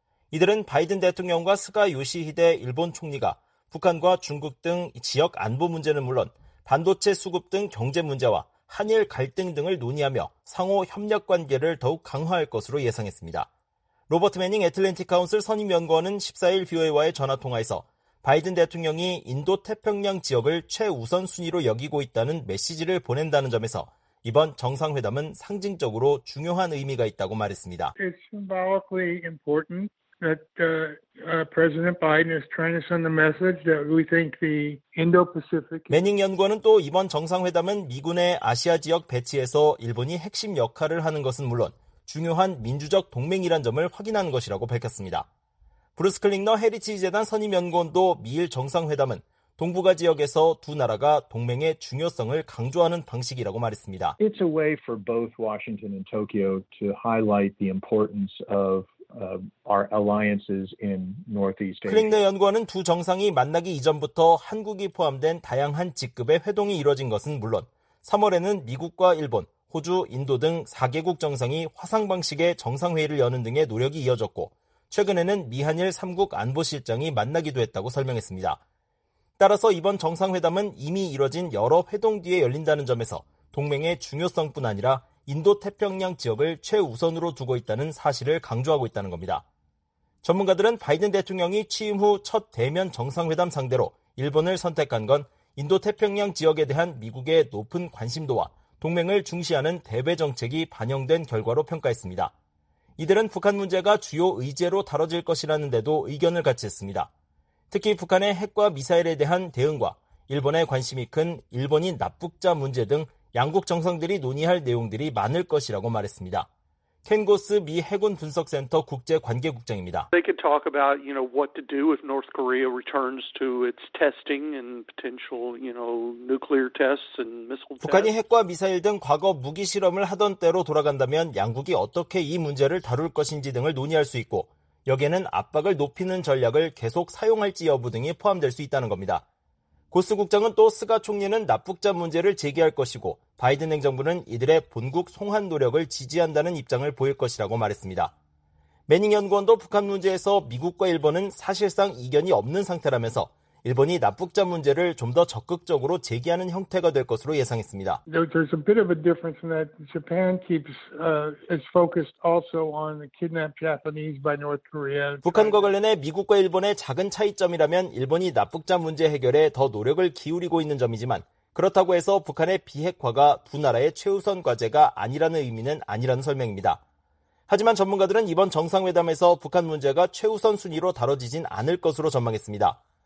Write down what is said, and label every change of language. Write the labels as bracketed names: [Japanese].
[Korean] 이들은 바이든 대통령과 스가 요시히데 일본 총리가 북한과 중국 등 지역 안보 문제는 물론 반도체 수급 등 경제 문제와 한일 갈등 등을 논의하며 상호 협력 관계를 더욱 강화할 것으로 예상했습니다. 로버트 매닝 애틀랜틱 카운슬 선임연구원은 14일 VOA와의 전화통화에서 바이든 대통령이 인도태평양 지역을 최우선순위로 여기고 있다는 메시지를 보낸다는 점에서 이번 정상회담은 상징적으로 중요한 의미가 있다고 말했습니다. [English] It's symbolically important that President Biden is trying to send the message that we think the Indo-Pacific. [Korean] 매닝 연구원은 또 이번 정상회담은 미군의 아시아 지역 배치에서 일본이 핵심 역할을 하는 것은 물론 중요한 민주적 동맹이란 점을 확인한 것이라고 밝혔습니다. 브루스 클링너 헤리티지 재단 선임 연구원도 미일 정상회담은 동북아 지역에서 두 나라가 동맹의 중요성을 강조하는 방식이라고 말했습니다. [English] It's a way for both Washington and Tokyo to highlight the importance of our alliances in Northeast Asia. [Korean] 클링너 연구원은 두 정상이 만나기 이전부터 한국이 포함된 다양한 직급의 회동이 이뤄진 것은 물론 3월에는 미국과 일본, 호주, 인도 등 4개국 정상이 화상 방식의 정상회의를 여는 등의 노력이 이어졌고 최근에는 미한일 3국 안보실장이 만나기도 했다고 설명했습니다. 따라서 이번 정상회담은 이미 이뤄진 여러 회동 뒤에 열린다는 점에서 동맹의 중요성뿐 아니라 인도태평양 지역을 최우선으로 두고 있다는 사실을 강조하고 있다는 겁니다. 전문가들은 바이든 대통령이 취임 후 첫 대면 정상회담 상대로 일본을 선택한 건 인도태평양 지역에 대한 미국의 높은 관심도와 동맹을 중시하는 대외 정책이 반영된 결과로 평가했습니다. 이들은 북한 문제가 주요 의제로 다뤄질 것이라는데도 의견을 같이 했습니다. 특히 북한의 핵과 미사일에 대한 대응과 일본의 관심이 큰 일본인 납북자 문제 등 양국 정상들이 논의할 내용들이 많을 것이라고 말했습니다. 켄 고스 미 해군 분석센터 국제 관계국장입니다. [English] They could talk about, you know, what to do if North Korea returns to its testing and potential, you know, nuclear tests and missile tests. [Korean] 북한이 핵과 미사일 등 과거 무기 실험을 하던 때로 돌아간다면 양국이 어떻게 이 문제를 다룰 것인지 등을 논의할 수 있고 여기에는 압박을 높이는 전략을 계속 사용할지 여부 등이 포함될 수 있다는 겁니다. 고스 국장은 또 스가 총리는 납북자 문제를 제기할 것이고 바이든 행정부는 이들의 본국 송환 노력을 지지한다는 입장을 보일 것이라고 말했습니다. 매닝 연구원도 북한 문제에서 미국과 일본은 사실상 이견이 없는 상태라면서 일본이 납북자 문제를 좀 더 적극적으로 제기하는 형태가 될 것으로 예상했습니다. [English] There's a bit of a difference in that Japan keeps is focused also on the kidnapped Japanese by North Korea. [Korean] 북한과 관련해 미국과 일본의 작은 차이점이라면 일본이 납북자 문제 해결에 더 노력을 기울이고 있는 점이지만 그렇다고 해서 북한의 비핵화가 두 나라의 최우선 과제가 아니라는 의미는 아니라는 설명입니다. 하지만 전문가들은 이번 정상회담에서 북한 문제가 최우선 순위로 다뤄지진 않을 것으로 전망했습니다.